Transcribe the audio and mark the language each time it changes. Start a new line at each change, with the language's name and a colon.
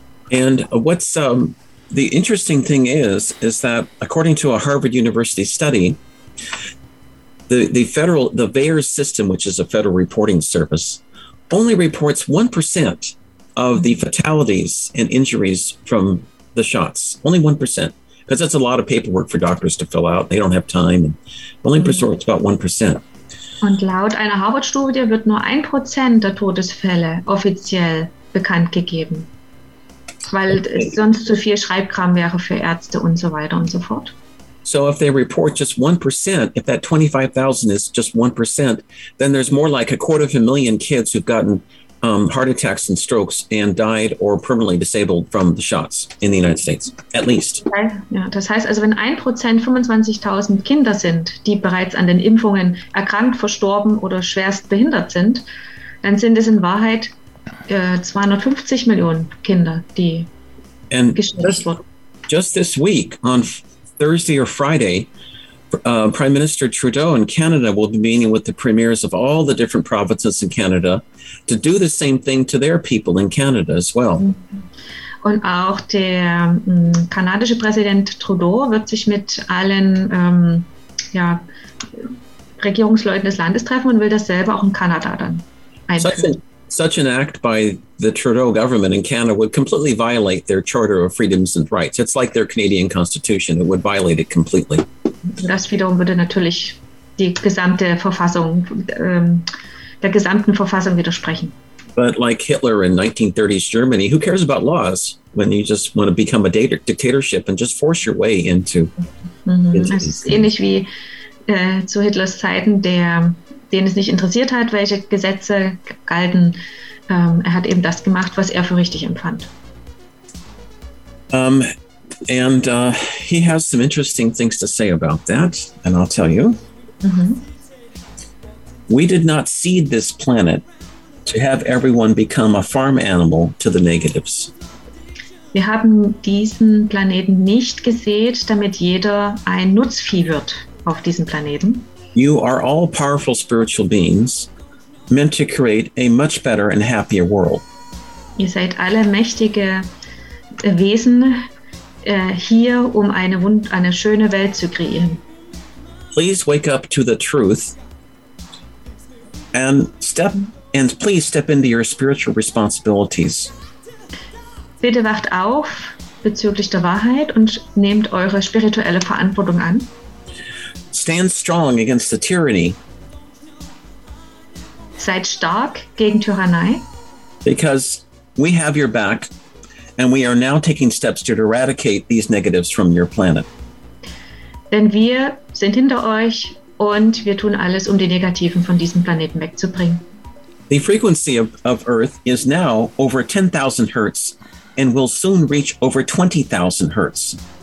English: And what's the interesting thing is that according to a Harvard University study, the VAERS system, which is a federal reporting service, only reports 1% of the fatalities and injuries from the shots. Only 1%. Because that's a lot of paperwork for doctors to fill out. They don't have time. And only reports about 1%.
German: Und laut einer Harvard-Studie wird nur 1% der Todesfälle offiziell bekannt gegeben, weil es sonst zu viel Schreibkram wäre für Ärzte und so weiter und so fort.
English: So if they report just 1%, if that 25,000 is just 1%, then there's more like 250,000 kids who've gotten heart attacks and strokes and died or permanently disabled from the shots in the United States, at least.
German: Ja, das heißt also, wenn 1% 25.000 Kinder sind, die bereits an den Impfungen erkrankt, verstorben oder schwerst behindert sind, dann sind es in Wahrheit 250 Millionen Kinder, die geschädigt wurden.
English: Just this week, on Thursday or Friday, Prime Minister Trudeau in Canada will be meeting with the premiers of all the different provinces in Canada to do the same thing to their people in Canada as well.
German: Und auch der kanadische Präsident Trudeau wird sich mit allen Regierungsleuten des Landes treffen und will dasselbe auch in Kanada dann einführen.
English: Such an act by the Trudeau government in Canada would completely violate their Charter of Freedoms and Rights. It's like their Canadian Constitution. It would violate it completely.
German: Das wiederum würde natürlich die gesamte Verfassung, der gesamten Verfassung widersprechen.
English: But like Hitler in 1930s Germany, who cares about laws when you just want to become a dictatorship and just force your way into...
German: Das ist ähnlich wie zu Hitlers Zeiten, den es nicht interessiert hat, welche Gesetze galten. Er hat eben das gemacht, was er für richtig empfand.
English: And he has some interesting things to say about that, and I'll tell you. Mm-hmm. We did not seed this planet to have everyone become a farm animal to the negatives.
German: Wir haben diesen Planeten nicht gesät, damit jeder ein Nutzvieh wird auf diesem Planeten.
English: You are all powerful spiritual beings meant to create a much better and happier world.
German: Ihr seid alle mächtige Wesen, hier, um eine schöne Welt zu kreieren.
English: Please wake up to the truth and please step into your spiritual responsibilities.
German: Bitte wacht auf bezüglich der Wahrheit und nehmt eure spirituelle Verantwortung an.
English: Stand strong against the tyranny.
German: Seid stark gegen Tyrannei.
English: Because we have your back. And we are now taking steps to eradicate these negatives from your planet.
German: Denn wir sind hinter euch und wir tun alles, um die Negativen von diesem Planeten wegzubringen.
English: The frequency of Earth is now over 10,000 Hertz and will soon reach over 20,000 Hertz.